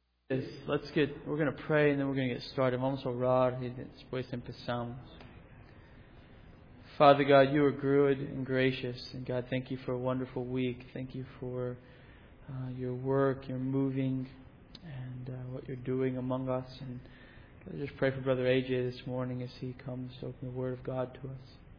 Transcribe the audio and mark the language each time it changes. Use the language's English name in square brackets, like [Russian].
[English] We're going to pray and then we're going to get started. [Spanish] Vamos a orar y después empezamos. [English] Father God, you are good and gracious. And God, thank you for a wonderful week. Thank you for your work, your moving, and what you're doing among us. And God, I just pray for Brother AJ this morning as he comes to open the Word of God to us.